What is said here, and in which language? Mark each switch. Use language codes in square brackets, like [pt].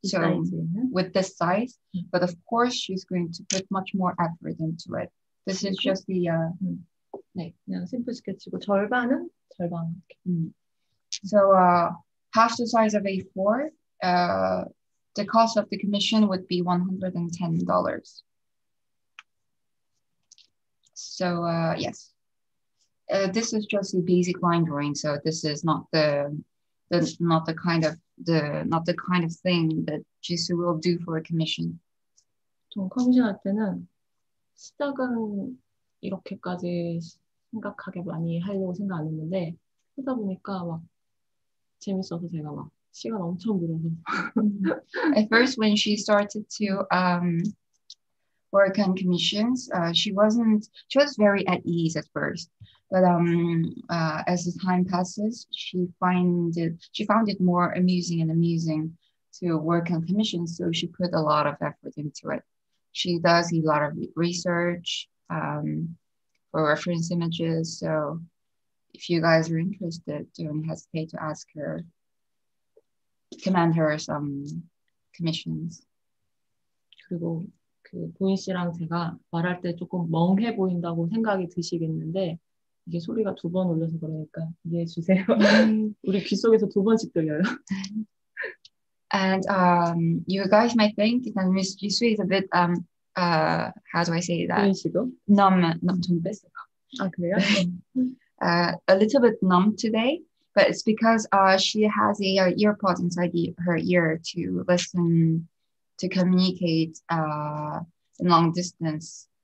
[en] So with this size, but of course she's going to put much more effort into it. This is just the [ko] 심플 스케치고 절반은 절반. [en] So half the size of A4, the cost of the commission would be $110. So yes, this is just a basic line drawing. So this is not the kind of thing that Jisoo will do for a commission. [ko] 좀 커미션 할 때는 시작은 이렇게까지 심각하게 많이 하려고 생각 안 했는데 하다 보니까 막 재밌어서 제가 막 시간 엄청 늘어서. [en] At first, when she started to work on commissions, she was very at ease at first. But as the time passes, she found it more amusing to work on commissions. So she put a lot of effort into it. She does a lot of research for reference images. So if you guys are interested, don't hesitate to ask her, command her some commissions. [ko] 그리고 그 보인 씨랑 제가 말할 때 조금 멍해 보인다고 생각이 드시겠는데 이게 소리가 두 번 올려서 그러니까 이해해 주세요. 우리 귀 속에서 두 번씩 들려요. [en] And you guys might think that Miss Jisoo is a bit how do I say that? [ko] 보인 씨도 numb 좀 뺐어요. 아 그래요? [en] a little bit numb today, but it's because she has a earpod inside her ear to listen to communicate in long distance.